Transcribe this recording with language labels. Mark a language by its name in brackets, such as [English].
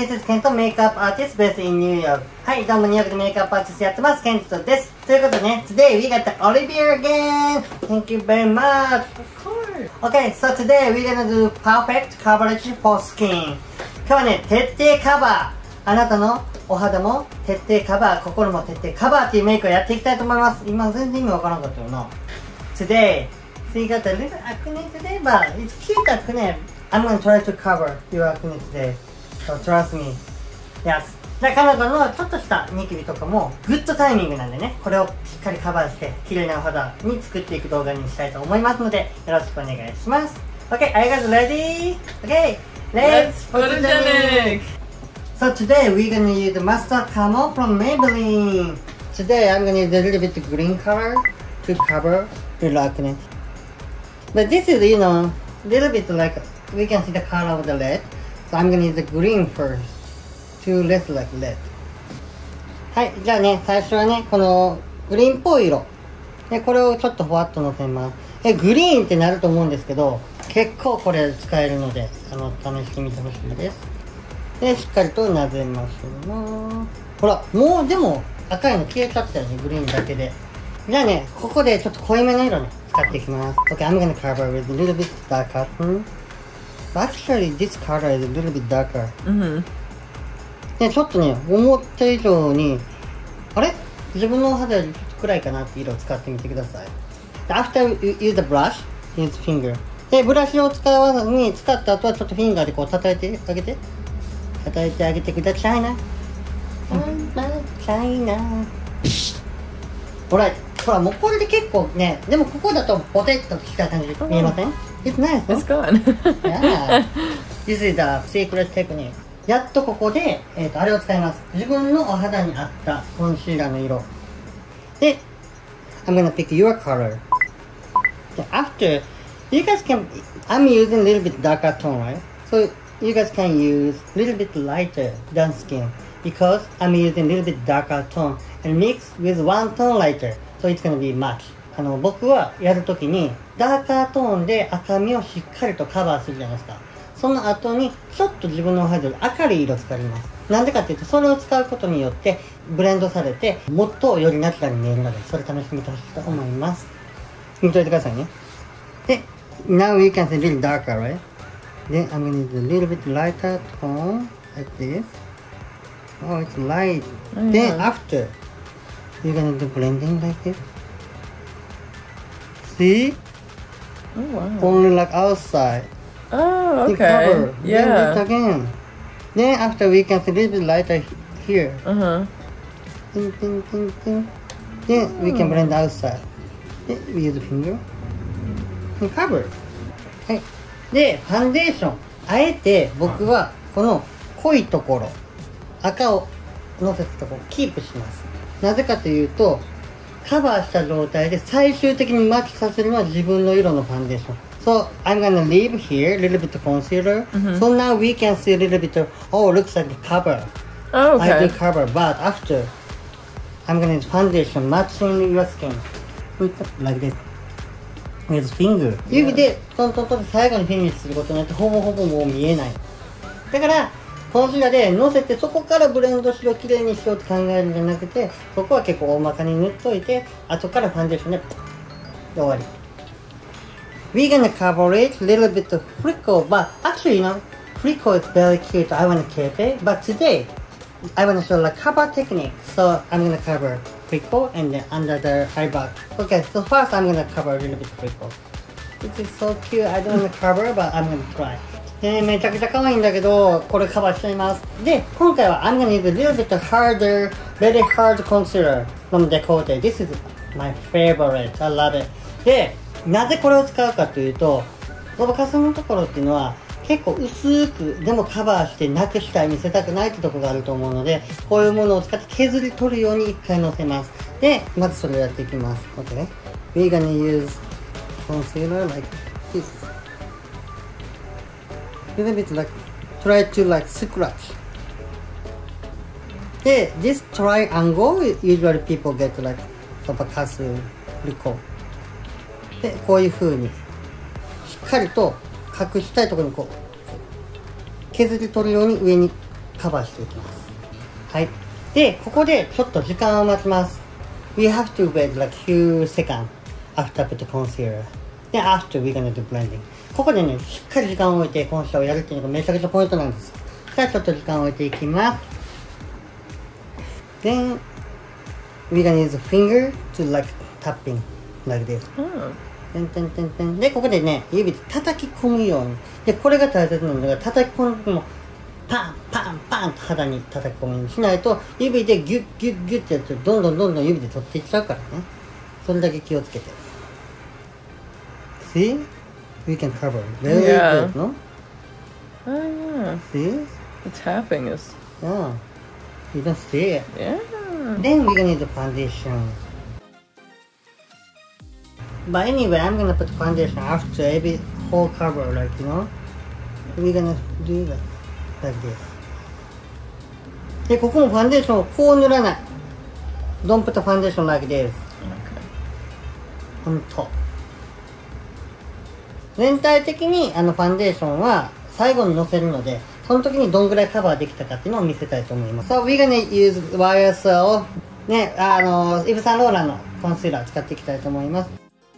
[English] This is Kento, Makeup Artist based in New York. [Japanese] はい、どうもニューヨークでメイクアップアーティストやってます、Kento です。ということでね、 [English] Today we got the Olivia again! Thank you very much! Of course! Okay, so today we're gonna do perfect coverage for skin. [Japanese] 今日はね、徹底カバー。あなたのお肌も徹底カバー、心も徹底カバーっていうメイクをやっていきたいと思います。今全然意味わからなかったよな。 [English] Today, we got a little acne today, but it's cute acne. I'm gonna try to cover your acne today. So trust me. Yes. じゃあ彼女のちょっとしたニキビとかもグッドタイミングなんでね、これをしっかりカバーして綺麗なお肌に作っていく動画にしたいと思いますので、よろしくお願いします。 OK, are you guys ready? OK, let's photogenic. So today we're gonna use the Master Camo from Maybelline. Today I'm gonna use a little bit of green color to cover your acne. But this is, you know, a little bit likeWe can see the color of the red. So I'm gonna use the green first to less like red. [Japanese] はい、じゃあね、最初はね、このグリーンっぽい色で、これをちょっとふわっとのせます。え、グリーンってなると思うんですけど、結構これ使えるので、試してみてほしいです。で、しっかりとなぜましょう。ほら、もうでも赤いの消えちゃったよね、グリーンだけで。じゃあね、ここでちょっと濃いめの色ね、使っていきます。 [English] OK, I'm gonna cover with a little bit darker. Actually, this color is a little bit darker. Mm-hmm. [Japanese] ね、ちょっとね、思った以上に、あれ?自分の肌よりちょっと暗いかなって色を使ってみてください。 [English] After you use the brush, use finger. [Japanese] で、ブラシを使わずに使った後はちょっとフィンガーでこう叩いてあげて。叩いてあげてくださいな。 [English] China, China. Alright. [Japanese] ほら、もうこれで結構ね、でもここだとポテッとした感じ、見えません? [English] It's nice, huh? It's good. Yeah. This is the secret technique. [Japanese] やっとここで、あれを使います。自分のお肌に合ったコンシーラーの色。 [English] で、I'm gonna pick your color. After, you guys can... I'm using a little bit darker tone, right? So you guys can use a little bit lighter than skin. Because I'm using a little bit darker tone. And mix with one tone lighter. So it's gonna be much. [Japanese] 僕はやるときにダーカートーンで赤みをしっかりとカバーするじゃないですか。その後にちょっと自分のお肌で明るい色使います。なんでかっていうと、それを使うことによってブレンドされてもっとよりナチュラルに見えるので、それ試してみてほしいと思います。見といてくださいね。 [English] で、 Now you can see a little darker, right? Then I'm gonna use a little bit lighter tone like this. Oh, it's light. Then after you're gonna do blending like thisSee? Oh, wow. Only like outside. Oh, okay. The cover. Yeah. Then this again. Then after we can see a little bit lighter here. Uh-huh. Ding, ding, ding, ding. Then we can blend outside. Then we use a finger. And cover. Okay. Then foundation. [Japanese] あえて僕はこの濃いところ、赤をのせたところをキープします。なぜかというと、カバーした状態で最終的にマッチさせるのは自分の色のファンデーション。 [English] So, I'm gonna leave here a little bit of concealer.、 Mm-hmm. So now we can see a little bit of, oh, looks like a cover. Oh, okay. I do cover, but after, I'm gonna use foundation matching your skin. Like this. With finger. [Japanese] 指でトントントンと最後にフィニッシュすることによってほぼほぼもう見えない。だから、コンシーラーで乗せて、そこからブレンドしよう、綺麗にしようって考えるんじゃなくて、ここは結構大まかに塗っといて、後からファンデーションで、終わり。 [English] We're gonna cover it a little bit of freckle, but actually, you know, freckle is very cute. I wanna keep it, but today, I wanna show the cover technique. So, I'm gonna cover freckle and then under the eyebrow. Okay, so first, I'm gonna cover a little bit of freckle. This is so cute. I don't wanna cover, but I'm gonna try. [Japanese] めちゃくちゃ可愛いんだけど、これカバーしちゃいます。で、今回は [English] I'm gonna use a little bit harder, very hard concealer from Decote. This is my favorite. I love it. [Japanese] で、なぜこれを使うかというと、ごまかすのところっていうのは結構薄くでもカバーしてなくしたい、見せたくないってとこがあると思うので、こういうものを使って削り取るように一回乗せます。で、まずそれをやっていきます。 [English] OK? We're gonna use concealer like this. A little bit like, try to like scratch. で、this triangle, usually people get like, そばかす、リコ。 [Japanese] で、こういう風に、しっかりと隠したいところにこう、削り取るように上にカバーしていきます。はい、でここでちょっと時間を待ちます。 [English] We have to wait like few seconds after put the concealer then after we're gonna do blending。 [Japanese] ここでねしっかり時間を置いてコンシーラーをやるっていうのがめちゃくちゃポイントなんです。じゃあちょっと時間を置いていきます。 [English] Then we're gonna use a finger to like tapping like this、うん、 [Japanese] テンテンテンテン。でここでね指で叩き込むように。でこれが大切なのが叩き込む時もパンパンパンと肌に叩き込むようにしないと指でギュッギュッギュッってやってどんどんどんどん指で取っていっちゃうからね。それだけ気をつけて。 [English] See? We can cover very good、 yeah. no? Oh yeah. See? It's happening. Is... yeahYou don't see it. Yeah. Then we're gonna need the foundation. But anyway, I'm gonna put foundation after every whole cover, like, you know? We're gonna do that, like this. [Japanese] で、ここもファンデーションをこう塗らない。 [English] Don't put the foundation like this. Okay. On top. [Japanese] 全体的にあのファンデーションは最後にのせるので、その時にどんぐらいカバーできたかっていうのを見せたいと思います。 [English] So we're gonna use YSL [Japanese] ね、イヴ・サンローランのコンシーラー使っていきたいと思います。